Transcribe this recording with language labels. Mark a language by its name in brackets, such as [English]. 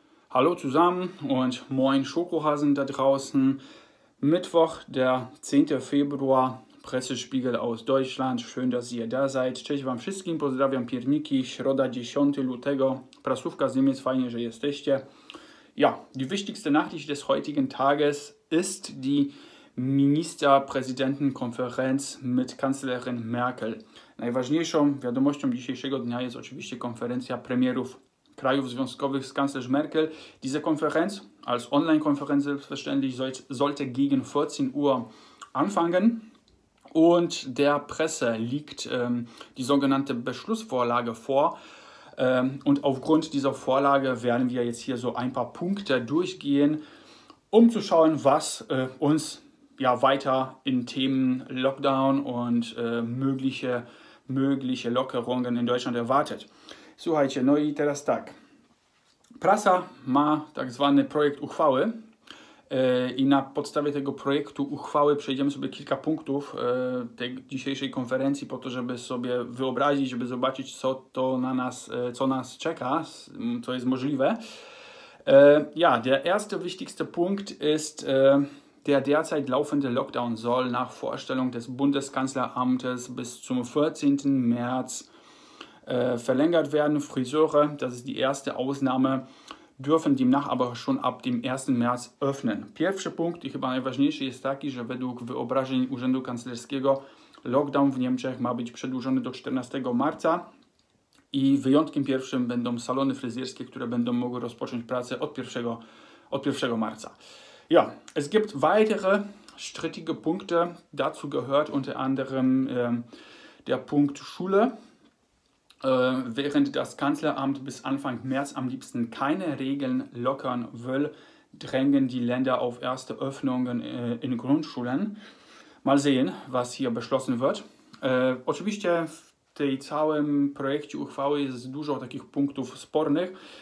[German] Hallo zusammen und moin Schokohasen da draußen. Mittwoch, der 10. Februar, Pressespiegel aus Deutschland. Schön, dass ihr da seid. [Polish] Cześć wam wszystkim, pozdrawiam Pierniki. Środa, 10. lutego. Prasówka z Niemiec, fajnie, że jesteście. [German] Ja, die wichtigste Nachricht des heutigen Tages ist die Ministerpräsidentenkonferenz mit Kanzlerin Merkel. [Polish] Najważniejszą wiadomością dzisiejszego dnia jest oczywiście konferencja premierów krajów związkowych z kanclerz Merkel. [German] Diese Konferenz, als Online-Konferenz selbstverständlich, sollte gegen 14 Uhr anfangen. Und der Presse liegt die sogenannte Beschlussvorlage vor. Und aufgrund dieser Vorlage werden wir jetzt hier so ein paar Punkte durchgehen, um zu schauen, was uns ja weiter in Themen Lockdown und mögliche Lockerungen in Deutschland erwartet. [Polish] Słuchajcie, no i teraz tak. Prasa ma tak zwany projekt uchwały i na podstawie tego projektu uchwały przejdziemy sobie kilka punktów tej dzisiejszej konferencji po to, żeby sobie wyobrazić, żeby zobaczyć, co to na nas, co nas czeka, co jest możliwe. [German] Ja, der erste wichtigste Punkt ist, der derzeit laufende Lockdown soll nach Vorstellung des Bundeskanzleramtes bis zum 14. März verlängert werden. Friseure, das ist die erste Ausnahme, dürfen demnach aber schon ab dem 1. März öffnen. [Polish] Pierwszy punkt, i chyba najważniejszy, jest taki, że według wyobrażeń Urzędu Kanclerskiego lockdown w Niemczech ma być przedłużony do 14 marca i wyjątkiem pierwszym będą salony fryzjerskie, które będą mogły rozpocząć pracę od 1 marca. [German] Ja, es gibt weitere strittige Punkte. Dazu gehört unter anderem der Punkt Schule. Während das Kanzleramt bis Anfang März am liebsten keine Regeln lockern will, drängen die Länder auf erste Öffnungen in Grundschulen. Mal sehen, was hier beschlossen wird. [Polish] Oczywiście w tej całym projekcie uchwały jest dużo takich punktów spornych.